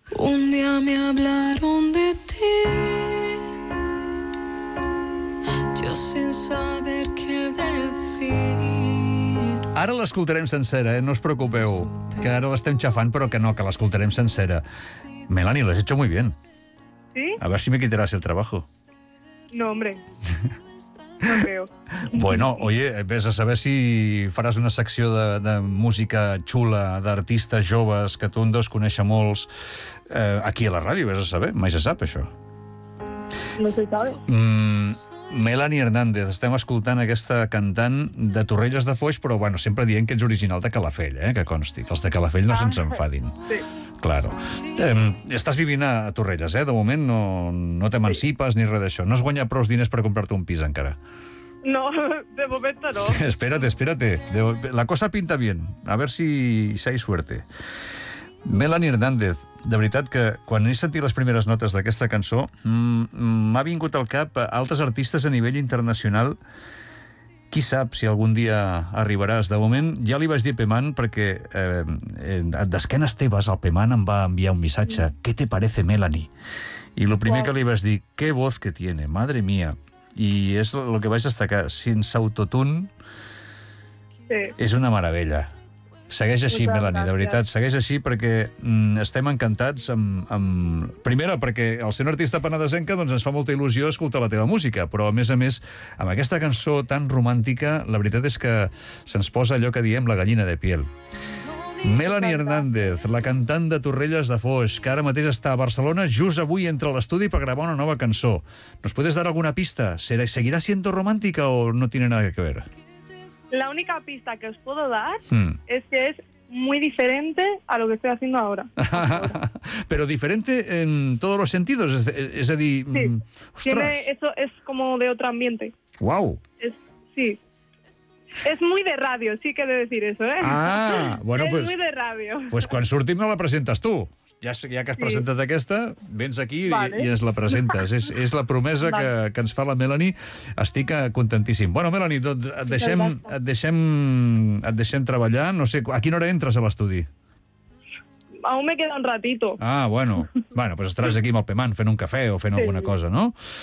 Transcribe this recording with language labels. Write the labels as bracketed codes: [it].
[es] Un día me hablaron de ti, yo sin saber qué decir. [ca] Ara l'escoltarem sencera, no us preocupeu, que ara l'estem xafant, però que l'escoltarem sencera. [es] Melanie, lo has hecho muy bien. ¿Sí? A ver si me quitarás el trabajo. No, hombre. No creo. [ca] Bueno, oye, ves a saber si faràs una secció de música xula, d'artistes joves, que tu en dos coneixes molts, aquí a la ràdio, ves a saber, mai se sap, això. No sé, Melanie Hernández, estem escoltant aquesta cantant de Torrelles de Foix, però bueno, sempre dient que ets original de Calafell, que consti, que els de Calafell no se'ns enfadin. Sí. Claro. Estàs vivint a Torrelles, de moment no t'emancipes ni res d'això. No has guanyat prou diners per comprar-te un pis encara. [es] No, de momento no. Espérate. La cosa pinta bien. A ver si hay suerte. [ca] Melanie Hernández, de veritat que quan he sentit les primeres notes d'aquesta cançó m'ha vingut al cap altres artistes a nivell internacional. Qui sap si algun dia arribaràs. De moment, ja li vaig dir a Pemán, perquè d'esquenes teves el Pemán em va enviar un missatge: [es] ¿qué te parece Melanie? [ca] I el primer que li vaig dir: [es] qué voz que tiene, madre mía. [ca] I és el que vaig destacar, sense autotune. És una meravella. Segueix així, Melanie, de veritat, segueix així, perquè estem encantats amb... Primera, perquè el ser un artista penedesenca, doncs ens fa molta il·lusió escoltar la teva música, però a més, amb aquesta cançó tan romàntica, la veritat és que se'ns posa allò que diem la [es] gallina de piel. [ca] Melanie Hernández, la cantant de Torrelles de Foix, que ara mateix està a Barcelona, just avui entra a l'estudi per gravar una nova cançó. [es] ¿Nos puedes dar alguna pista? ¿Seguirá siendo romántica o no tiene nada que ver? La única pista que os puedo dar es que es muy diferente a lo que estoy haciendo ahora. Pero diferente en todos los sentidos, es decir... Sí, tiene, eso es como de otro ambiente. ¡Guau! Sí, es muy de radio, sí que he de decir eso, ¿eh? Ah, bueno, es pues... Es muy de radio. Pues cuando surti me la presentas tú. [ca] Ja que has presentat aquesta, vens aquí i ens la presentes. És la promesa que ens fa la Melanie. Estic contentíssim. Bueno, Melanie, doncs et deixem treballar. No sé, a quina hora entres a l'estudi? [es] Aún me queda un ratito. Ah, bueno. [ca] Bueno, pues estaràs aquí amb el Pemán fent un cafè o fent alguna cosa, no?